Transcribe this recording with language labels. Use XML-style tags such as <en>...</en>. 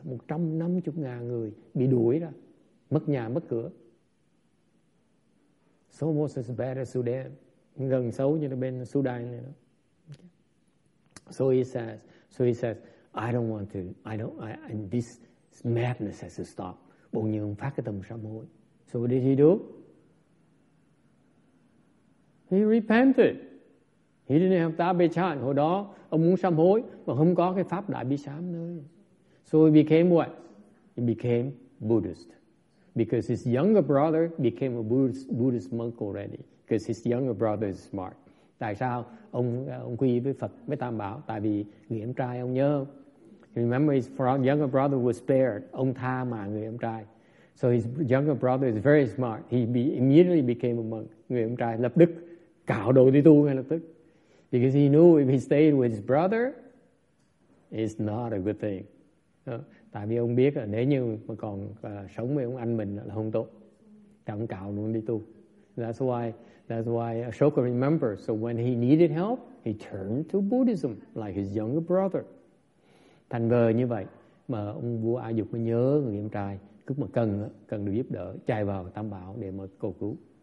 <vi>150,000 người bị đuổi ra, mất nhà, mất cửa.</vi> <en>It's almost as bad as Sudan.</en> <vi>Gần xấu như là bên Sudan này đó.</vi> <en>So he says, this madness has to stop.</en> <vi>Bỗng nhiên ông phát cái tâm sám hối.</vi> <en>So what did he do? He repented. He didn't have Ta Bi Chan.</en> <vi>Hồi đó, ông muốn sám hối, mà không có cái pháp Đại Bi Sám nơi.</vi> <en>So he became what? He became Buddhist. Because his younger brother became a Buddhist monk already. Because his younger brother is smart.</en> <vi>Tại sao ông quy với Phật, với Tam Bảo? Tại vì người em trai ông nhớ.</vi> <en>Remember, his younger brother was spared.</en> <vi>Ông tha mà người em trai.</vi> <en>So his younger brother is very smart. He immediately became a monk.</en> <vi>Người em trai lập tức cạo đầu đi tu ngay lập tức.</vi> <en>Because he knew if he stayed with his brother, it's not a good thing.</en> <vi>Tại vì ông biết là nếu như mà còn sống với ông anh mình là không tốt. Thì ông cạo luôn đi tu.</vi> <en>That's why Ashoka remembers. So when he needed help, he turned to Buddhism like his younger brother.</en> <vi>Thành vờ như vậy mà ông vua A Dục mới nhớ người em trai, cứ mà cần được giúp đỡ, chạy vào Tam Bảo để mà cầu cứu.</vi>